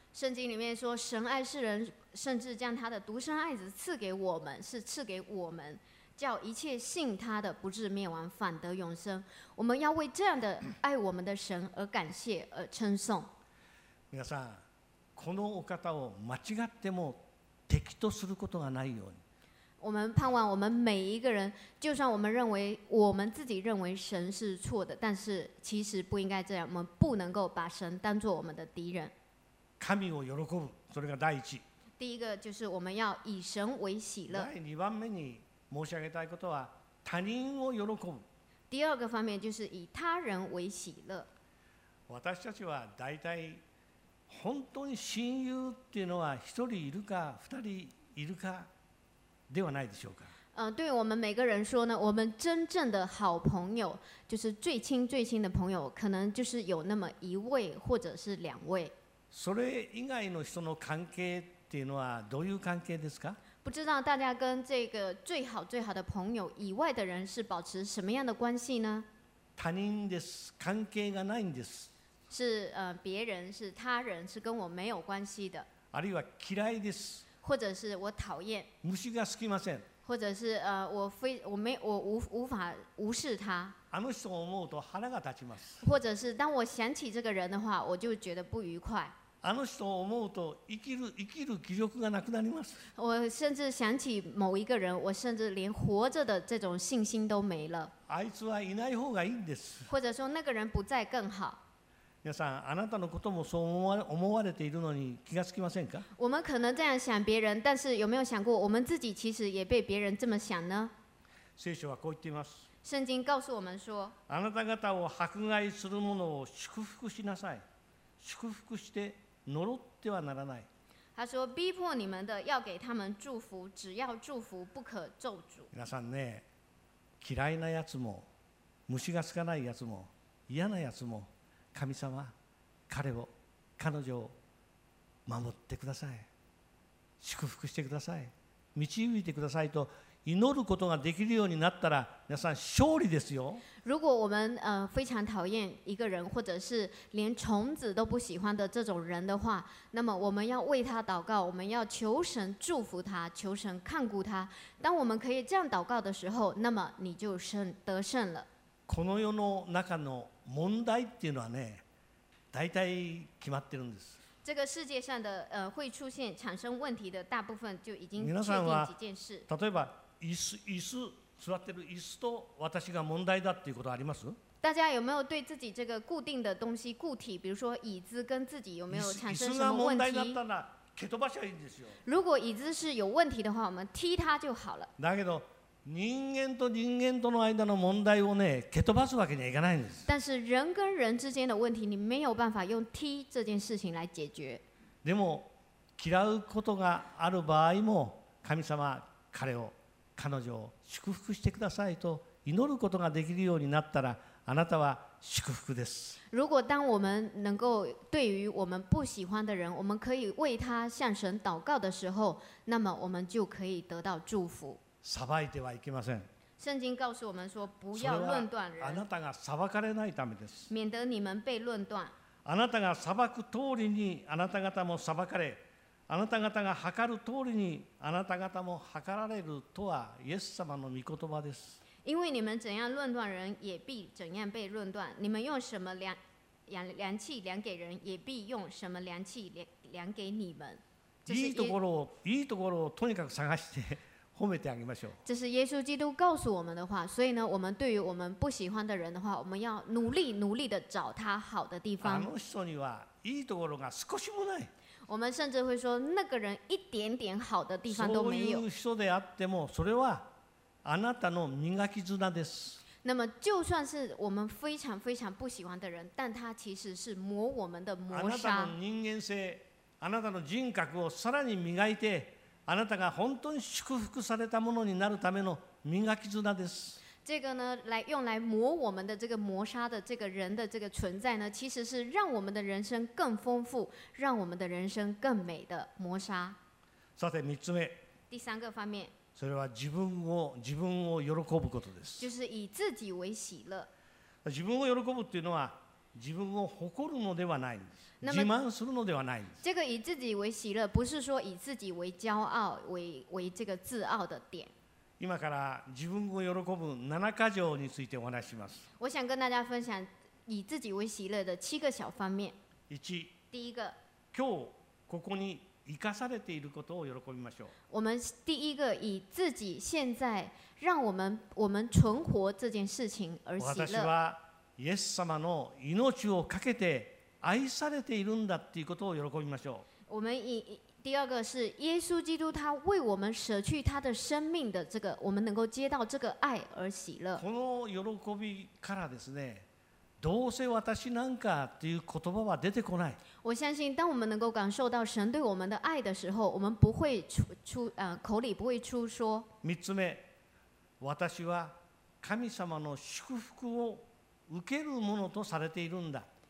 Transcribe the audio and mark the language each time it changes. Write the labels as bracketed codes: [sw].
[zh] 圣经里面说，神爱世人，甚至将他的独生爱子赐给我们，是赐给我们，叫一切信他的不至灭亡，反得永生。我们要为这样的爱我们的神而感谢而称颂。 [ja] 皆さん、このお方を間違っても敵とすることがないように。 [zh] 我们盼望我们每一个人，就算我们认为我们自己认为神是错的，但是其实不应该这样，我们不能够把神当作我们的敌人。 [ja] 神を喜ぶ、それが第一。 [zh] 第一个就是我们要以神为喜乐。 [ja] 第二番目に申し上げたいことは他人を喜ぶ。 [zh] 第二个方面就是以他人为喜乐。 [ja] 私たちは大体本当に親友っていうのは一人いるか二人いるかではないでしょうか。 [zh] 对我们每个人说呢，我们真正的好朋友，就是最亲最亲的朋友，可能就是有那么一位或者是两位。 [ja] それ以外の人の関係っていうのはどういう関係ですか？ [zh] 不知道大家跟这个最好最好的朋友以外的人是保持什么样的关系呢？ [ja] 他人です。関係がないんです。 [zh] 是别人，是他人，是跟我没有关系的。 [ja] あるいは嫌いです。 [zh] 或者是我讨厌。 [ja] 虫が好きません。 [zh] 或者是我无法无视他。 [ja] あの人を思うと腹が立ちます。 [zh] 或者是当我想起这个人的话，我就觉得不愉快。 [ja] あの人を思うと生きる気力がなくなります。 [zh] 我甚至想起某一个人，我甚至连活着的这种信心都没了。 [ja] あいつはいない方がいいんです。 [zh] 或者说那个人不在更好。 [ja] 皆さん、あなたのこともそう思われているのに気がつきませんか？ [zh] 我们可能这样想别人，但是有没有想过我们自己其实也被别人这么想呢？ [ja] 聖書はこう言っています。 [zh] 圣经告诉我们说： [ja] あなた方を迫害する者を祝福しなさい。祝福して呪ってはならない。 [zh] 他说：逼迫你们的要给他们祝福，只要祝福，不可咒诅。 [ja] 皆さんね、嫌いなやつも、虫がつかないやつも、嫌なやつも。神様、彼を、彼女を守ってください。祝福してください。導いてくださいと祈ることができるようになったら、皆さん勝利ですよ。 [zh] 如果我们非常讨厌一个人，或者是连虫子都不喜欢的这种人的话，那么我们要为他祷告，我们要求神祝福他，求神看顾他。当我们可以这样祷告的时候，那么你就得胜了。 [ja] この世の中の問題っていうのはね、大体決まってるんです。 [zh] 这个世界上的会出现产生问题的大部分就已经确定几件事。 [ja] 皆さんは例えば椅子座ってる椅子と私が問題だっていうことあります？ [zh] 大家有没有对自己这个固定的东西固体，比如说椅子跟自己有没有产生什么问题？ [ja] 椅子が問題だったら蹴飛ばしゃいいんですよ。 [zh] 如果椅子是有问题的话，我们踢它就好了。 [ja] だけど人間と人間との間の問題をね、蹴飛ばすわけにはいかないんです。 [zh] 但是人跟人之间的问题，你没有办法用踢这件事情来解决。 [ja] でも嫌うことがある場合も、神様彼を彼女を祝福してくださいと祈ることができるようになったら、あなたは祝福です。 [zh] 如果当我们能够对于我们不喜欢的人，我们可以为他向神祷告的时候，那么我们就可以得到祝福。 [ja] 裁いてはいけません。 [zh] 聖經告訴我們說不要論斷人。 [ja] あなたが裁かれないためです。 [zh] 免得你們被論斷。 [ja] あなたが裁く通りにあなた方も裁かれ、あなた方が測る通りにあなた方も測られるとはイエス様の御言葉です。 [zh] 因為你們怎樣論斷人，也必怎樣被論斷。你們用什麼量器量給人，也必用什麼量器量給你們。 [ja] いいところをとにかく探して。褒めてあげましょう。 [zh] 这是耶稣基督告诉我们的话，所以呢，我们对于我们不喜欢的人的话，我们要努力努力的找他好的地方。 [ja] あの人にはいいところが少しもない。 [zh] 我们甚至会说，那个人一点点好的地方都没有。 [ja] そういう人であっても、それはあなたの磨き綱です。 [zh] 那么，就算是我们非常非常不喜欢的人，但他其实是磨我们的磨砂。 [ja] あなたの人間性、あなたの人格をさらに磨いて。あなたが本当に祝福されたものになるための磨き綱です。 [zh] 这个呢，来用来磨我们的这个磨砂的这个人的这个存在呢，其实是让我们的人生更丰富，让我们的人生更美的磨砂。 [ja] さて三つ目。 [zh] 第三个方面。 [ja] それは自分を喜ぶことです。 [zh] 就是以自己为喜乐。 [ja] 自分を喜ぶっていうのは。自分を誇るのではないんです。自慢するのではないんです。 [zh] 这个以自己为喜乐，不是说以自己为骄傲、为这个自傲的点。 [ja] 今から自分を喜ぶ7か条についてお話します。 [zh] 我想跟大家分享以自己为喜乐的7个小方面。 [ja] 1。 [zh] 第一个。 [ja] 今日ここに生かされていることを喜びましょう。 [zh] 我们第一个以自己现在让我们存活这件事情而喜乐。 [ja] 私はイエス様の命をかけて愛されているんだということを喜びましょう。 [zh] 我们第二个是耶稣基督他为我们舍去他的生命的这个，我们能够接到这个爱而喜乐。 [ja] この喜びからですね、どうせ私なんかっていう言葉は出てこない。 [zh] 我相信当我们能够感受到神对我们的爱的时候，我们不会口里不会出说。 [ja] 三つ目、私は神様の祝福を受けるものとされているんだ。